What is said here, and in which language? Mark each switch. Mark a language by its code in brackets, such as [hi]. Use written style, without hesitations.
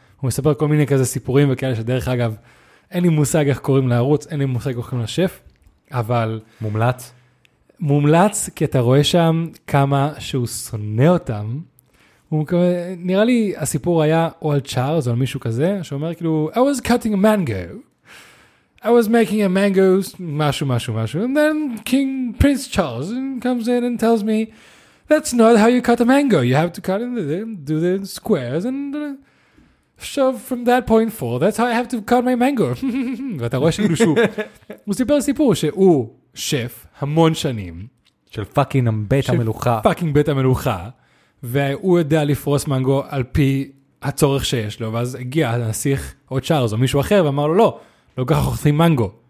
[he] הוא מספר כל מיני כזה סיפורים וכאלה שדרך אגב, אין לי מושג איך קוראים לערוץ, אין לי מושג איך קוראים לשף, אבל... מומלץ? מומלץ, כי אתה רואה שם כמה שהוא שונא אותם. נראה לי הסיפור היה או על צ'ארלס או על מישהו כזה, שאומר כאילו, [en] I was cutting a mango. I was making a mango, [he] משהו, משהו, משהו. [en] And then King Prince Charles comes in and tells me, that's not how you cut a mango. You have to cut it and do the squares and so from that point forward, that's how I have to cut my mango. [he] ואתה רואה שכאילו שהוא, הוא סיפר סיפור שהוא שף המון שנים. של פאקינג בית המלוכה. של פאקינג בית המלוכה, והוא יודע לפרוס מנגו על פי הצורך שיש לו, ואז הגיע הנסיך עוד שער, זו מישהו אחר, ואמר לו, לא, לא ככה חותכים מנגו.